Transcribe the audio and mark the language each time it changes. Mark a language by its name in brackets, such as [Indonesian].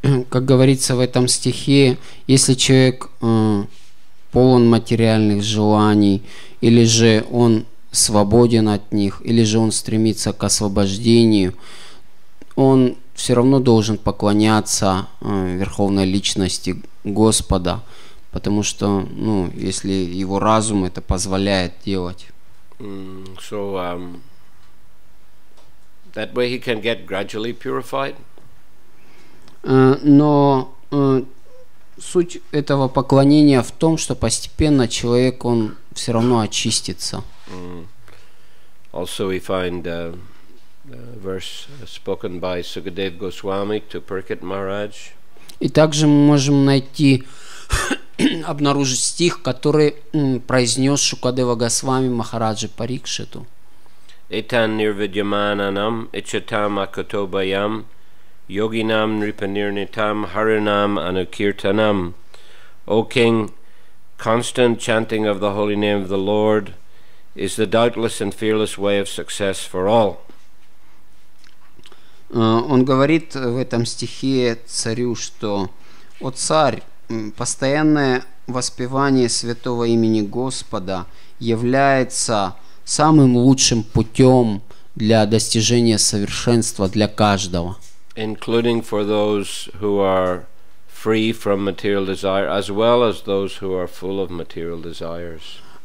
[Russian] Как говорится в этом стихе, если человек полон материальных желаний, или же он свободен от них, или же он стремится к освобождению, он все равно должен поклоняться Верховной Личности Господа, потому что, ну, если его разум это позволяет делать. [English] So, that way he can get gradually purified. [Russian] Но суть этого поклонения в том, что постепенно человек, он все равно очистится. [English] Also we find verse spoken by Sukadev Goswami to Purkit Maharaj. [Russian] И также мы можем найти, обнаружить стих, который произнес Шукадева Госвами Махараджи Парикшиту. [Sanskrit] Итан нирвидьямананам ичатам акатобаям йогинам нрипанирнитам харинам анукиртанам. [English] О King, constant chanting of the holy name of the Lord is the doubtless and fearless way of success for all. [Russian] Он говорит в этом стихе царю, что: «О царь, постоянное воспевание святого имени Господа является самым лучшим путем для достижения совершенства для каждого». [English] including for those who are free from material desire, as well as those who are full of material desires.